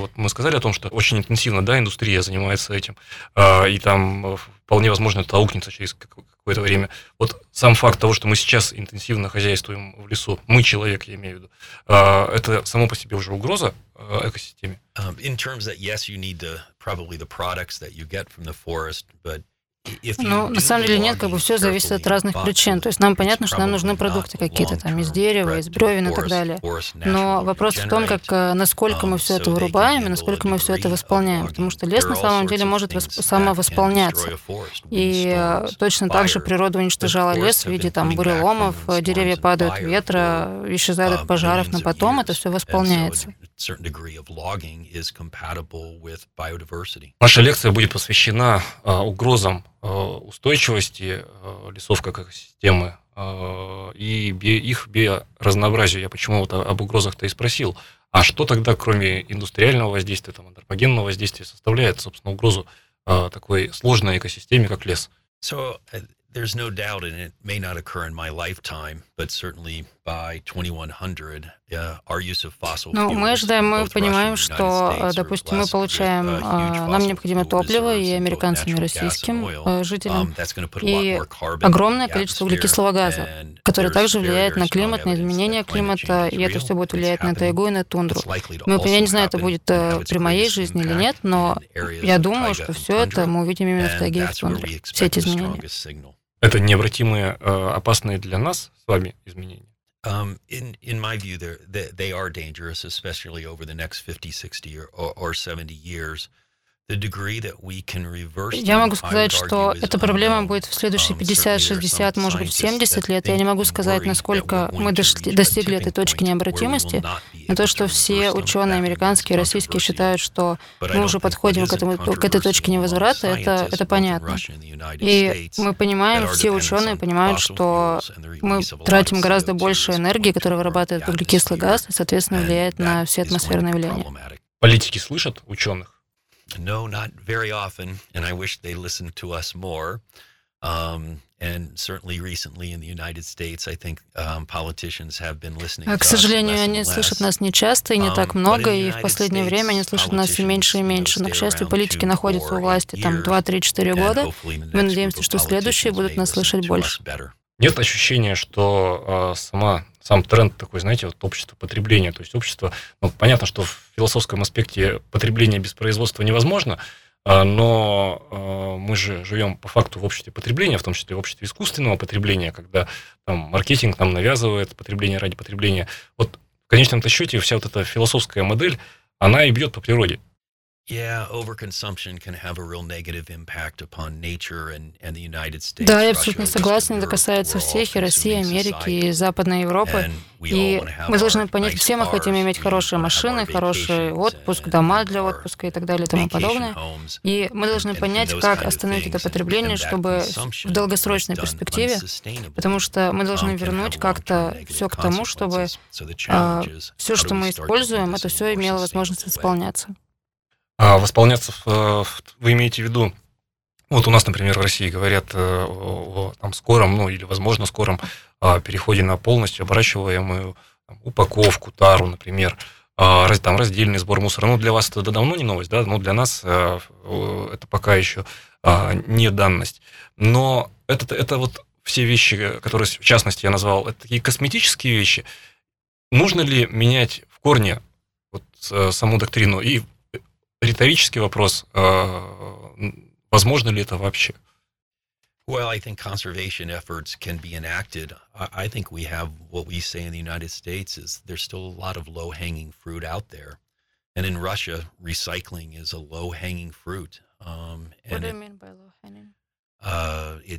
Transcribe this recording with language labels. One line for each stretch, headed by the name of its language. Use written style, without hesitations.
Russian: Вот мы сказали о том, что очень интенсивно, да, индустрия занимается этим. И там вполне возможно это аукнется через какое-то время. Вот сам факт того, что мы сейчас интенсивно хозяйствуем в лесу, мы человек, я имею в виду, это само по себе уже угроза экосистеме?
English: In terms that, yes, you need probably the products that you get from the forest, but
Russian: ну, на самом деле нет, как бы все зависит от разных причин. То есть нам понятно, что нам нужны продукты какие-то там из дерева, из бревен и так далее. Но вопрос в том, как, насколько мы все это вырубаем и насколько мы все это восполняем. Потому что лес на самом деле может самовосполняться. И точно так же природа уничтожала лес в виде там буреломов, деревья падают, ветра, исчезают от пожаров, но потом это все восполняется.
English: Certain degree of logging is compatible with biodiversity.
Russian: Наша лекция будет посвящена угрозам устойчивости лесов как экосистемы и их биоразнообразию. Я почему-то об угрозах-то и спросил, А что тогда, кроме индустриального воздействия, там, антропогенного воздействия, составляет, собственно, угрозу такой сложной экосистеме, как лес?
English: So, there's no doubt, and it may not occur in my lifetime, but certainly by 2100, our use of fossil fuels.
Russian: Ну, мы ожидаем, мы понимаем, что, допустим, мы получаем, нам необходимо топливо и американским, и российским жителям, и огромное количество углекислого газа, которое также влияет на климат, на изменение климата, и это все будет влиять на тайгу и на тундру. Мы, я не знаю, это будет при моей жизни или нет, но я думаю, что все это мы увидим именно в тайге и в тундре, все эти изменения. Это необратимые, опасные для нас с вами изменения.
English: In my view, they are dangerous, especially over the next 50, 60 or 70 years. The degree that we can reverse them,
Russian: я могу сказать, что эта проблема будет в следующие 50, 60, может быть, 70 лет. Я не могу сказать, насколько мы достигли этой точки необратимости, но то, что все ученые, американские, российские, считают, что мы уже подходим к этой точке невозврата, это понятно. И мы понимаем, все ученые понимают, что мы тратим гораздо больше энергии, которая вырабатывает углекислый газ, и, соответственно, влияет на все атмосферные явления. Политики слышат ученых?
English: No, not very often, and I wish they listened to us more. And certainly recently in the United States, I think politicians have been listening to us less and less.
Russian: К сожалению, они слышат нас не часто и не так много, и в последнее время они слышат нас все меньше и меньше. Но, к счастью, политики находятся у власти там 2-3-4 года. Мы надеемся, что следующие будут нас слышать больше. Нет ощущения, что сам тренд такой, знаете, вот общество потребления, то есть общество, ну, понятно, что в философском аспекте потребление без производства невозможно, но мы же живем по факту в обществе потребления, в том числе в обществе искусственного потребления, когда там маркетинг нам навязывает потребление ради потребления. Вот в конечном-то счете вся вот эта философская модель, она и бьет по природе.
English: Yeah, overconsumption can have a real negative impact upon nature and the United States.
Russian: Да, я абсолютно согласен, это касается всех, и России, Америки, и Западной Европы. И мы должны понять, все мы хотим иметь хорошие машины, хороший отпуск, дома для отпуска и так далее и тому подобное. И мы должны понять, как остановить это потребление, чтобы в долгосрочной перспективе, потому что мы должны вернуть как-то все к тому, чтобы все, что мы используем, это все имело возможность восполняться. А восполняться, вы имеете в виду, вот у нас, например, в России говорят о скором, ну или, возможно, скором переходе на полностью оборачиваемую там, упаковку, тару, например, там раздельный сбор мусора. Ну, для вас это давно не новость, да, но для нас это пока еще не данность. Но это вот все вещи, которые, в частности, я назвал, это такие косметические вещи. Нужно ли менять в корне вот, саму доктрину и... Риторический вопрос, возможно ли это вообще?
English: Well, I think conservation efforts can be enacted. I think we have what we say in the United States is there's still a lot of low-hanging fruit out there. And in Russia, recycling is a low-hanging fruit. What do you mean by low-hanging?